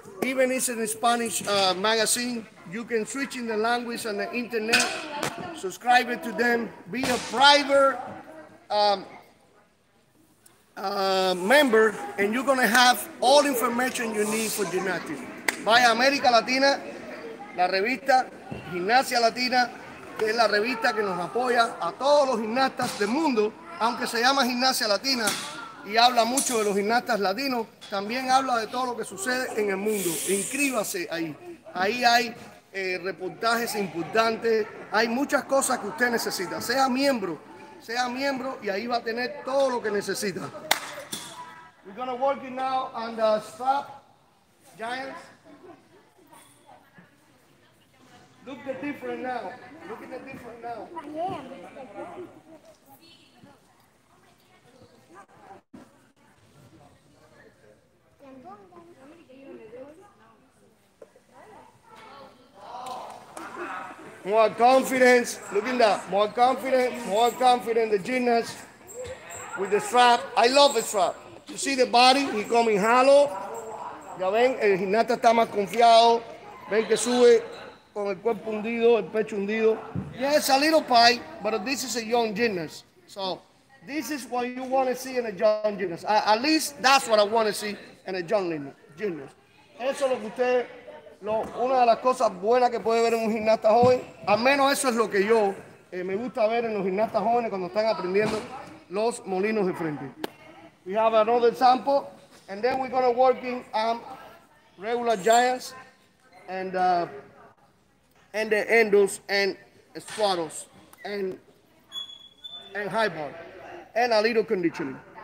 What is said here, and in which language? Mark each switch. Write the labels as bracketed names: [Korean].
[English] Even if it's in a Spanish magazine, you can switch in the language on the internet, subscribe to them, be a private member, and you're gonna have all information you need for gymnastics. [Spanish] Vaya America Latina, la revista Gimnasia Latina, que es la revista que nos apoya a todos los gimnastas del mundo, aunque se llama Gimnasia Latina, y habla mucho de los gimnastas latinos, también habla de todo lo que sucede en el mundo. Inscríbase ahí. Ahí hay reportajes importantes, hay muchas cosas que usted necesita. Sea miembro y ahí va a tener todo lo que necesita. [English] We're gonna work it now on the strap, Giants. Look at the difference now. Look at the difference now. More confidence, look at that. More confident, the gymnast with the strap. I love the strap. You see the body, he coming hollow. [Spanish] Ya ven, el gimnasta está más confiado. Ven que sube con el cuerpo hundido, el pecho hundido. [English] Yes, a little pie, but this is a young gymnast. So this is what you want to see in a young gymnast. At least that's what I want to see in a young gymnast. [Spanish] Eso es lo que usted... una de las cosas buenas que puede ver en un gimnasta joven, al menos eso es lo que yo me gusta ver en los gimnastas jóvenes cuando están aprendiendo los molinos de frente. [English] We have another sample, and then we're going to work in regular giants and the endos and squats and high bar and a little conditioning.